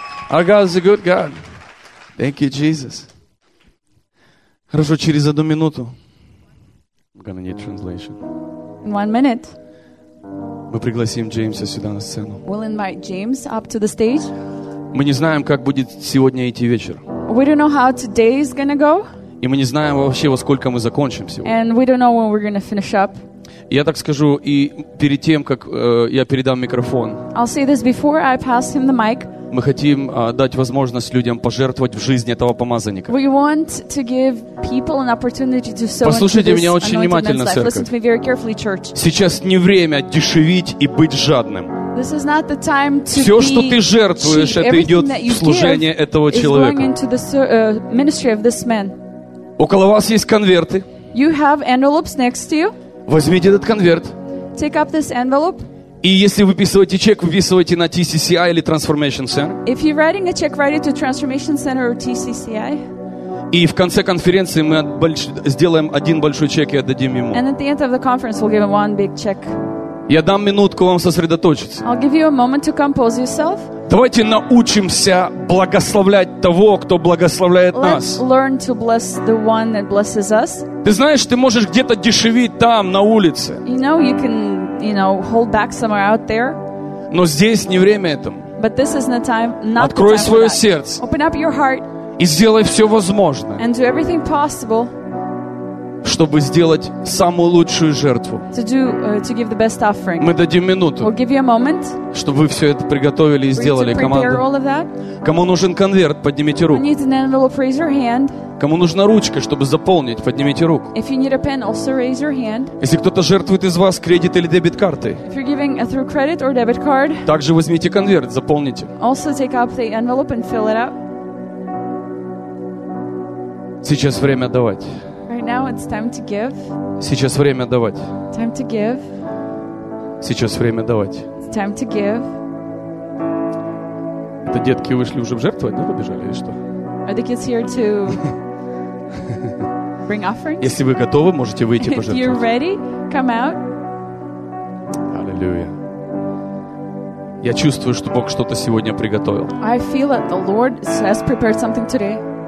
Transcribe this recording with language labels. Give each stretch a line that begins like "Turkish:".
English: Our God is a good God. Thank you, Jesus.
Russian: Хорошо, через одну минуту.
English: I'm gonna need translation. In 1 minute.
Russian: Мы пригласим Джеймса сюда на сцену.
English: We'll invite James up to the stage.
Russian: Мы не знаем, как будет сегодня идти вечер.
English: We don't know how today is gonna go.
Russian: И мы не знаем вообще, во сколько мы закончим сегодня.
English: And we don't know when we're gonna finish up.
Russian: Я так скажу, и перед тем, как я передам микрофон,
English: I'll say this before I pass him the mic.
Russian: Мы хотим дать возможность людям пожертвовать в жизнь этого помазанника.
English: We want to give people an opportunity to sow.
Russian: Послушайте меня очень внимательно, церковь.
English: Listen to me very carefully, church.
Russian: Сейчас не время дешевить и быть жадным.
English: This is not the time to
Russian: Все, что ты жертвуешь, это идет в служение этого человека.
English: Is going into the ministry of this man.
Russian: Около вас есть конверты.
English: You have envelopes next to you.
Russian: Возьмите этот конверт.
English: Take up this envelope.
Russian: И если вы выписываете чек, выписывайте на TCCI или Transformation Center.
English: If you're writing a check, write it to Transformation Center or TCCI.
Russian: И в конце конференции мы сделаем один большой чек и отдадим ему.
English: And at the end of the conference, we'll give him one big check.
Russian: Я дам минутку вам сосредоточиться.
English: I'll give you a moment to compose yourself.
Russian: Давайте научимся благословлять того, кто благословляет нас.
English: Let's learn to bless the one that blesses us.
Russian: Ты знаешь, ты можешь где-то дешевить там, на улице.
English: You know, you can, you know, hold back somewhere out there.
Russian: Но здесь не время этому.
English: But this is not time, not
Russian: Открой
English: the time
Russian: свое
English: for that.
Russian: Сердце.
English: Open up your heart.
Russian: И сделай все возможное.
English: And do everything possible.
Russian: Чтобы сделать самую лучшую жертву.
English: To do, to give the best offering.
Russian: Мы дадим минуту.
English: We'll give you a moment.
Russian: Чтобы вы все это приготовили и сделали. Кому нужен конверт, поднимите руку.
English: Need an envelope, raise your hand.
Russian: Кому нужна ручка, чтобы заполнить, поднимите руку.
English: If you need a pen, also raise your hand.
Russian: Если кто-то жертвует из вас кредит или дебет картой.
English: If you're giving through credit or debit card.
Russian: Также возьмите конверт, заполните.
English: Also take up the envelope and fill it up.
Russian: Сейчас время давать.
English: Now it's time to give.
Russian: Сейчас время давать.
English: Time to give.
Russian: Сейчас время давать.
English: It's time to give.
Russian: Это детки вышли уже жертвовать, да, побежали или что?
English: Are the kids here to bring offerings?
Russian: Если вы готовы, можете выйти пожертвовать.
English: If you're ready, come out.
Russian: Аллилуйя. Я чувствую, что Бог что-то сегодня приготовил.
English: I feel that the Lord has prepared something today.